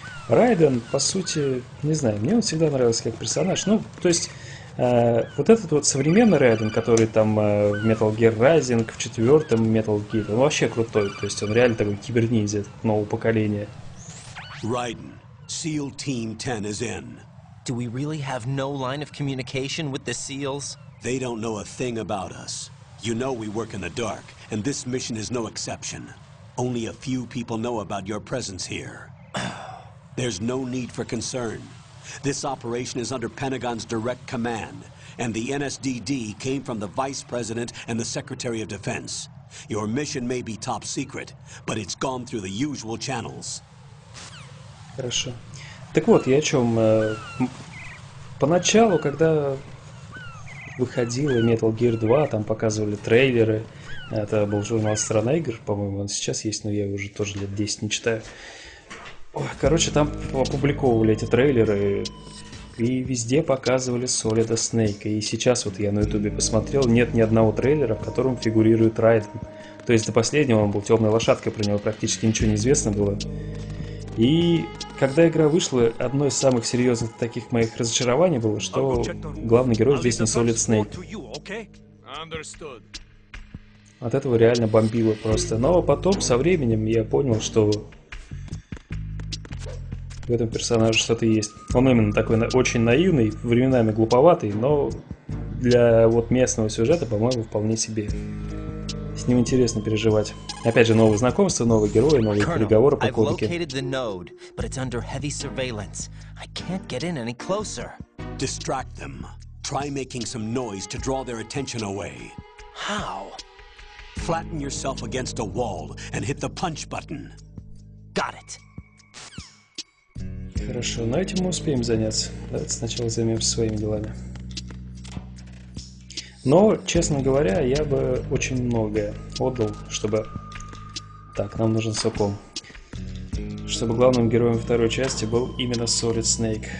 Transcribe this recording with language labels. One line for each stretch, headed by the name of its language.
Russian: Райден, по сути, не знаю, мне он всегда нравился как персонаж. Ну, то есть, вот этот вот современный Райден, который там в Metal Gear Rising, в четвертом Metal Gear, он вообще крутой, то есть он реально такой киберниндзя нового поколения.
English: Райден, SEAL Team 10 is in. Do we really have no line of communication with the SEALs? They don't know a thing about us. You know we work in the dark, and this mission is no exception. Only a few people know about your presence here. There's no need for concern. This operation is under Pentagon's direct command, and the NSDD came from the Vice President and the Secretary of Defense. Your mission may be top secret, but it's gone through the usual channels.
Russian: Хорошо. Так вот, я о чем. Поначалу, когда выходила Metal Gear 2, там показывали трейлеры. Это был журнал «Страна игр», по-моему, он сейчас есть, но я его уже тоже лет 10 не читаю. Короче, там опубликовывали эти трейлеры и везде показывали Солида Снейка. И сейчас вот я на Ютубе посмотрел, нет ни одного трейлера, в котором фигурирует Райден. То есть до последнего он был темной лошадкой, про него практически ничего не известно было. И когда игра вышла, одно из самых серьезных таких моих разочарований было, что главный герой здесь не Солид Снейк. От этого реально бомбило просто. Но потом, со временем, я понял, что... В этом персонаже что-то есть. Он именно такой очень наивный, временами глуповатый, но для вот местного сюжета, по-моему, вполне себе. С ним интересно переживать. Опять же, новые знакомства, новые герои, новые переговоры по кодеке.
English: I've located the node, but it's under heavy surveillance. I can't get in any closer. Distract them. Try making some noise to draw their attention away. How? Flatten yourself against a wall and hit the punch button. Got it.
Russian: Хорошо, но этим мы успеем заняться. Давайте сначала займемся своими делами. Но, честно говоря, я бы очень многое отдал, чтобы... Так, нам нужен Соком. Чтобы главным героем второй части был именно Solid Snake.